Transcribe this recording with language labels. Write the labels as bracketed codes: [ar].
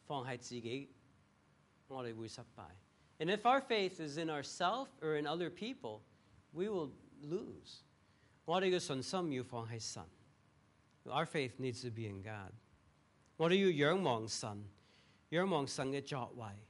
[zh] 如果我们的信心放在人,放在自己,我们会失败。 [en] And if our faith is in ourselves or in other people, we will lose. [zh] 我们的信心要放在神。 [en] Our faith needs to be in God. [zh] 我们要仰望神, 仰望神的作为。